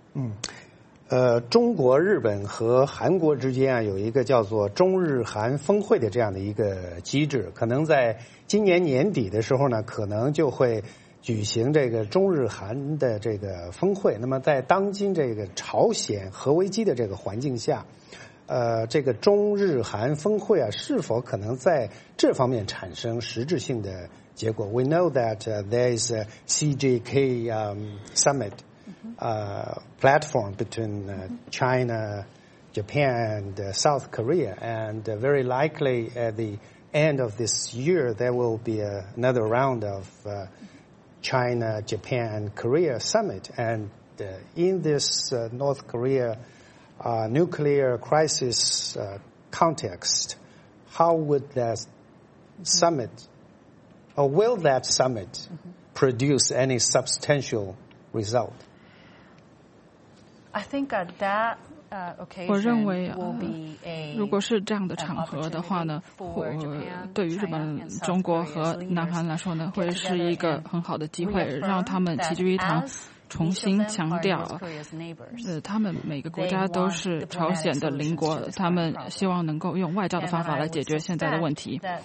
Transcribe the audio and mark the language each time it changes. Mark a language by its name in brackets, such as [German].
[Chinese] 嗯，中国日本和韩国之间啊有一个叫做中日韩峰会的这样的一个机制，可能在今年年底的时候呢可能就会举行这个中日韩的这个峰会。那么在当今这个朝鲜核危机的这个环境下，这个中日韩峰会啊是否可能在这方面产生实质性的结果？ [English] We know that there is a CJK summit platform between China, Japan and South Korea, and very likely at the end of this year there will be another round of China, Japan, and Korea summit. And in this North Korea nuclear crisis context, how would that summit, or will that summit produce any substantial result? I think that. [Chinese] 我认为，如果是这样的场合的话呢，对于日本、中国和南韩来说呢，会是一个很好的机会，让他们齐聚一堂，重新强调，他们每个国家都是朝鲜的邻国，他们希望能够用外交的方法来解决现在的问题。